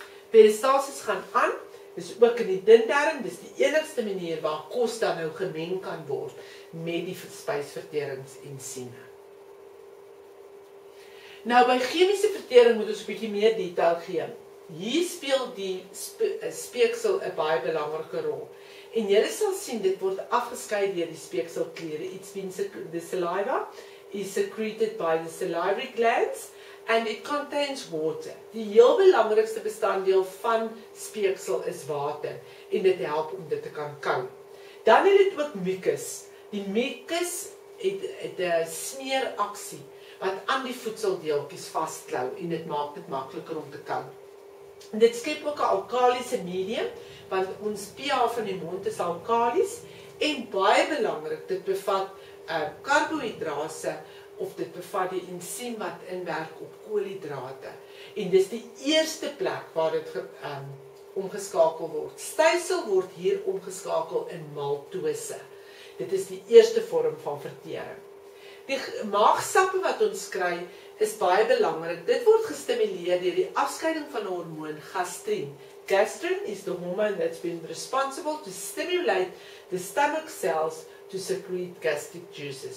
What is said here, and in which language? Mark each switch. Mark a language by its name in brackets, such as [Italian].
[Afrikaans] Peristalsis gaan aan, dis ook in die dindarm, dis die enigste manier waar kos dan nou gemeng kan word met die spysverteringsensieme. Nou, by chemiese vertering moet ons 'n bietjie meer detail gee. Hier speel die speeksel 'n baie belangrike rol. En jy sal sien, dit word afgeskei deur die speekselkliere. [English] It's been the saliva is secreted by the salivary glands and it contains water. [Afrikaans] Die heel belangrikste bestanddeel van speeksel is water en dit help om dit te kan kou. Dan het dit ook mucus. Die mucus het 'n smeeraksie wat aan die voedseldeeltjies vastklou en dit maak dit makliker om te kou. Dit skep ook 'n alkaliese medium, want ons pH van die mond is alkalies en baie belangrik, dit bevat karbohidrate of dit bevat die ensiem wat inwerk op koolhidrate. En dis die eerste plek waar dit omgeskakel word. Stysel word hier omgeskakel in maltose. Dit is die eerste vorm van vertering. Die maagsappe wat ons kry is baie belangrik. Dit word gestimuleer deur die afskeiding van 'n hormoon, gastrin. [English] Gastrin is the hormone that's been responsible to stimulate the stomach cells to secrete gastric juices.